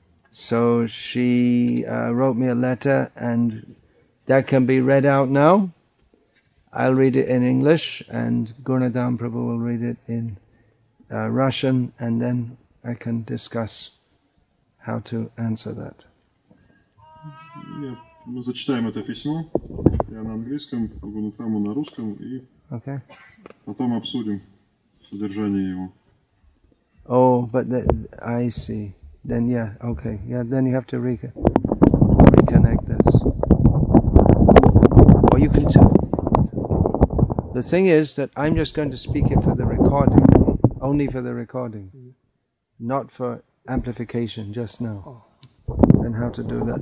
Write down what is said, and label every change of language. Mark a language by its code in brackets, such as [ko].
[en] So she wrote me a letter, and that can be read out now. I'll read it in English, and Gurnadam Prabhu will read it in Russian, and then I can discuss how to answer that. [ru] Мы зачитаем это письмо. Я на английском, Гурнадам на русском, и потом обсудим содержание его. [en] Oh, but I see. Then, yeah, okay. Yeah, then you have to reconnect this. Or you can tell. The thing is that I'm just going to speak it for the recording. Only for the recording. Not for amplification, just now. And how to do that.